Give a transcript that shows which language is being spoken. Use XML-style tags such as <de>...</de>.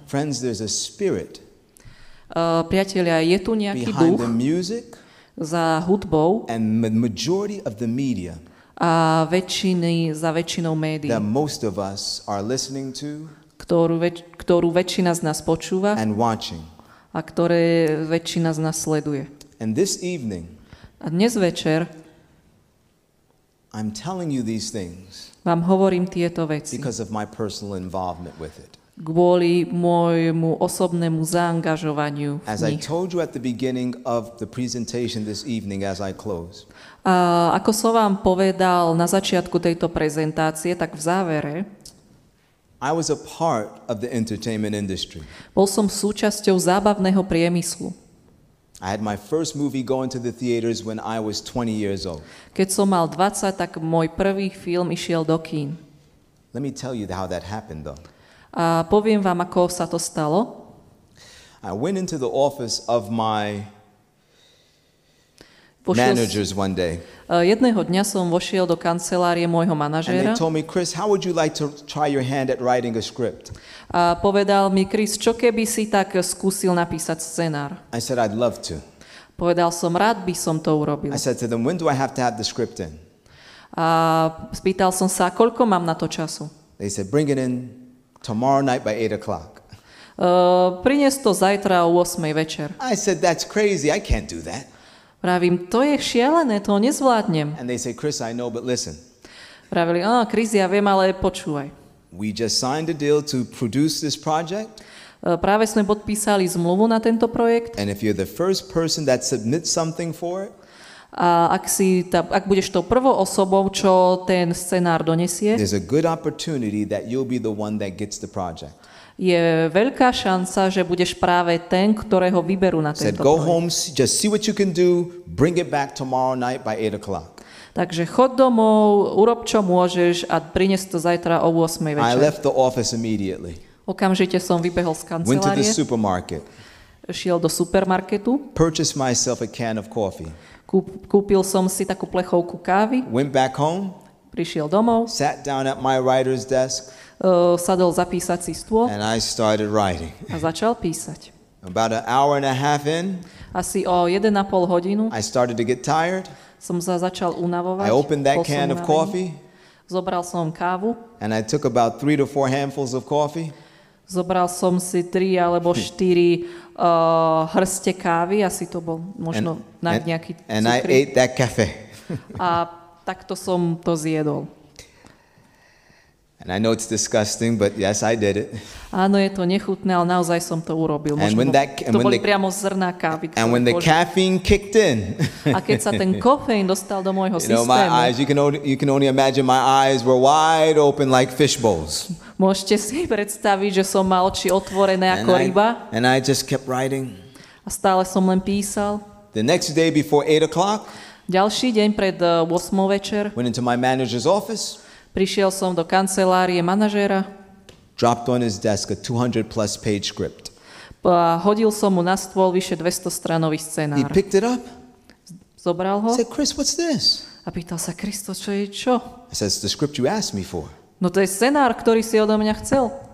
<en>Friends, there's a spirit.</en> <sk>Priatelia, je tu nejaký</sk> <en>behind</en> <sk>duch</sk> <en>the music,</en> <sk>za hudbou</sk> <en>and the majority of the media,</en> <sk>a za väčšinou médií,</sk> <en>that most of us are listening to,</en> <sk>ktorú väčšina z nás počúva</sk> <en>and watching,</en> <sk>a ktoré väčšina z nás sleduje.</sk> <en>And this evening,</en> <sk>a dnes večer,</sk> <en>I'm telling you these things,</en> <sk>vám hovorím tieto veci,</sk> <en>because of my personal involvement with it.</en> <sk>Kvôli môjmu osobnému zaangažovaniu v nich.</sk> <en>As I told you at the beginning of the presentation this evening, as I close.</en> <sk>A ako som vám povedal na začiatku tejto prezentácie, tak v závere,</sk> <en>I was a part of the entertainment industry.</en> <sk>Bol som súčasťou zábavného priemyslu.</sk> <en>I had my first movie going to the theaters when I was 20 years old.</en> <sk>Keď som mal 20, tak môj prvý film išiel do kín.</sk> <en>Let me tell you how that happened though.</en> <sk>A poviem vám, ako sa to stalo.</sk> <en>I went into the office of my managers one day.</en> <sk>Jedného dňa som vošiel do kancelárie môjho manažéra.</sk> <en>And they told me, Chris, how would you like to try your hand at writing a script?</en> <sk>A povedal mi, Chris, čo keby si tak skúsil napísať scenár?</sk> <en>I said, I'd love to.</en> <sk>Povedal som, rád by som to urobil.</sk> <en>I said to them, when do I have to have the script in?</en> <sk>A spýtal som sa, koľko mám na to času?</sk> <en>They said, bring it in tomorrow night by 8 o'clock.</en> <sk>Prinies to zajtra o 8 večer.</sk> <en>I said, that's crazy, I can't do that.</en> <sk>Pravím, to je šialené, to nezvládnem.</sk> <en>And they say, Chris, I know, but listen.</en> <sk>Pravili, Chris, ja viem, ale počúvaj.</sk> <en>We just signed a deal to produce this project.</en> <sk>Práve sme podpísali zmluvu na tento projekt.</sk> <en>And if you're the first person that submits something for it,</en> <sk>a ak budeš tou prvou osobou, čo ten scenár donesie,</sk> <en>there's a good opportunity that you'll be the one that gets the project.</en> <sk>Je veľká šanca, že budeš práve ten, ktorého vyberú na tento</sk> <en>Said, go home, just see what you can do, bring it back tomorrow night by 8 o'clock.</en> <sk>Takže chod domov, urob čo môžeš a prinies to zajtra o 8 večer.</sk> <en>I left the office immediately.</en> <sk>Okamžite som vybehol z kancelárie.</sk> <en>Went to the supermarket.</en> <sk>Šiel do supermarketu.</sk> <en>Purchased myself a can of coffee.</en> <sk>Kúpil som si takú plechovku kávy.</sk> <en>Went back home.</en> <sk>Prišiel domov.</sk> <en>Sat down at my writer's desk.</en> <sk>Sadol za písací stôl.</sk> <en>And I started writing.</en> <sk>A začal písať.</sk> <en>About an hour and a half in.</en> <sk>Asi o 1,5 hodinu.</sk> <en>I started to get tired.</en> <sk>Som sa začal unavovať.</sk> <en>I opened that can of coffee.</en> <sk>Zobral som kávu.</sk> <en>And I took about 3 to 4 handfuls of coffee.</en> <sk>Zobral som si 3 alebo 4 hrste kávy, asi to bol možno na nejaký cukrík.</sk> <en>And I ate that cafe.</en> <sk>A takto som to zjedol.</sk> <en>And I know it's disgusting, but yes, I did it.</en> <sk>Áno, je to nechutné, ale naozaj som to urobil.</sk> <en>And</en> <sk>možno to boli priamo zrná kávy.</sk> <en>And when the caffeine kicked in.</en> <sk>A keď sa ten kofeín dostal do môjho systému.</sk> <en>You know, my eyes, you can only imagine my eyes were wide open like fish bowls.</en> <sk>Môžete si predstaviť, že som mal oči otvorené ako ryba.</sk> <en>And I just kept writing.</en> <sk>A stále som len písal.</sk> <en>The next day before 8 o'clock.</en> <sk>Ďalší deň pred 8 večer.</sk> <en>Went into my manager's office.</en> <sk>Prišiel som do kancelárie manažéra.</sk> <en>Dropped on his desk a 200 plus page script.</en> <sk>Hodil som mu na stôl vyše 200 stranový scenár.</sk> <en>He picked it up.</en> <sk>Zobral ho.</sk> <en>I said, Chris, what's this?</en> <sk>A pýtal sa, Christo, čo je čo?</sk> <en>I said, it's the script you asked me for.</en> <sk>No to je scenár, ktorý si odo mňa chcel.</sk>